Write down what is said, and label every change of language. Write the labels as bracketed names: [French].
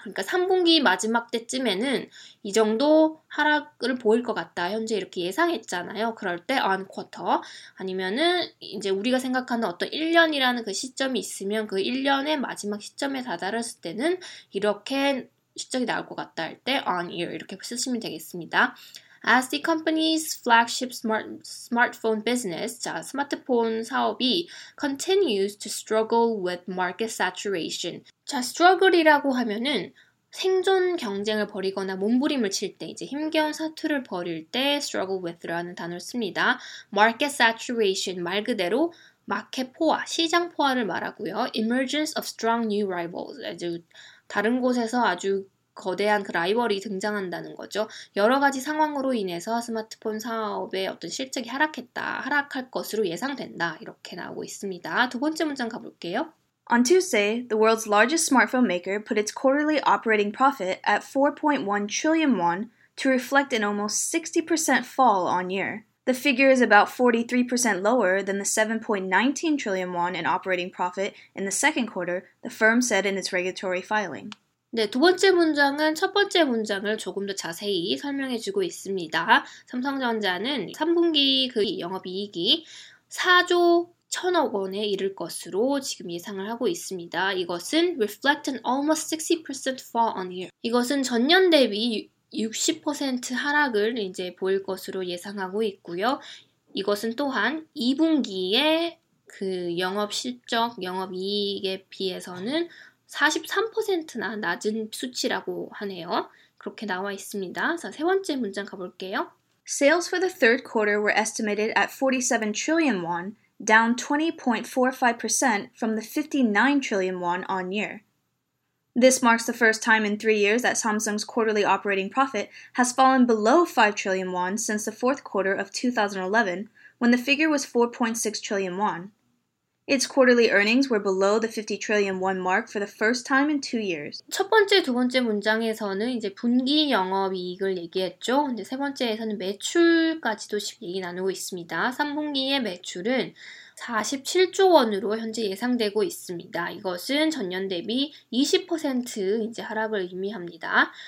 [Korean] 그러니까 3분기 마지막 때쯤에는 이 정도 하락을 보일 것 같다. 현재 이렇게 예상했잖아요. 그럴 때 [English] on quarter. [Korean] 아니면은 이제 우리가 생각하는 어떤 1년이라는 그 시점이 있으면 그 1년의 마지막 시점에 다다랐을 때는 이렇게 실적이 나올 것 같다 할 때 [English] on year [Korean] 이렇게 쓰시면 되겠습니다. [English] As the company's flagship smartphone business, [Korean] 자, 스마트폰 사업이 [English] continues to struggle with market saturation. [Korean] 자, struggle이라고 하면은 생존 경쟁을 벌이거나 몸부림을 칠 때, 이제 힘겨운 사투를 벌일 때 struggle with라는 단어를 씁니다. Market saturation, 말 그대로 마켓 포화, 시장 포화를 말하고요. [English] Emergence of strong new rivals, [Korean] 아주 다른 곳에서 아주 거대한 그 라이벌이 등장한다는 거죠. 여러 가지 상황으로 인해서 스마트폰 사업의 어떤 실적이 하락했다, 하락할 것으로 예상된다 이렇게 나오고 있습니다. 두 번째 문장 가볼게요. [English] On Tuesday, the world's largest smartphone maker put its quarterly operating profit at 4.1 trillion won to reflect an almost 60% fall on year. The figure is about 43% lower than the 7.19 trillion won in operating profit in the second quarter, the firm said in its regulatory filing. [Korean] 네, 두 번째 문장은 첫 번째 문장을 조금 더 자세히 설명해 주고 있습니다. 삼성전자는 3분기 그 영업이익이 4조 1000억 원에 이를 것으로 지금 예상을 하고 있습니다. [English] 이것은 reflect an almost 60% fall on year. [Korean] 이것은 전년 대비 60% 하락을 이제 보일 것으로 예상하고 있고요. 이것은 또한 2분기의 그 영업 실적, 영업이익에 비해서는 43%나 낮은 수치라고 하네요. 그렇게 나와 있습니다. 자, 세 번째 문장 가볼게요. [English] Sales for the third quarter were estimated at 47 trillion won, down 20.45% from the 59 trillion won on year. This marks the first time in 3 years that Samsung's quarterly operating profit has fallen below 5 trillion won since the fourth quarter of 2011, when the figure was 4.6 trillion won. Its quarterly earnings were below the 50 trillion won mark for the first time in 2 years. [Korean] 첫 번째, 두 번째 문장에서는 이제 분기 영업이익을 얘기했죠. 근데 세 번째에서는 매출까지도 지금 얘기 나누고 있습니다. 3분기의 매출은 47조 원으로 현재 예상되고 있습니다. 이것은 전년 대비 20% 이제 하락을 의미합니다.